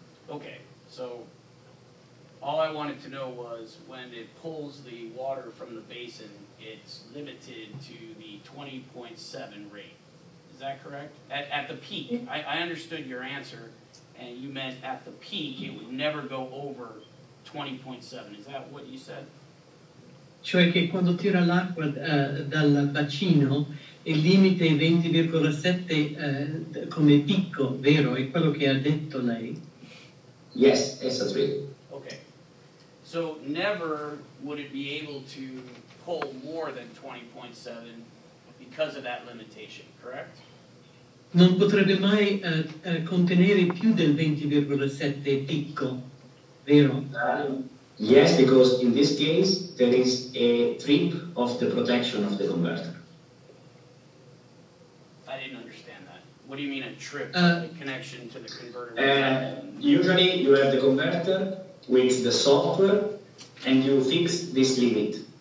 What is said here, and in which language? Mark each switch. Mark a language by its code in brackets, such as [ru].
[en] Okay, so all I wanted to know was when it pulls the water from the basin, it's limited to the 20.7 rate. Is that correct? At the peak. I understood your answer, and you meant at the peak it would never go over 20.7. Is that what you said? [it] Cioè che quando tira l'acqua dal bacino, il limite è 20.7 come picco, vero? È quello che ha detto lei? [en] Yes, that's true. Okay. So never would it be able to pull more than 20.7 because of that limitation, correct? [it] Non potrebbe mai contenere più del 20.7 picco, vero? [en] Yes, because in this case there is a trip of the protection of the converter. I didn't understand that. What do you mean a trip? The connection to the converter? Usually you have the converter with the software and you fix this limit.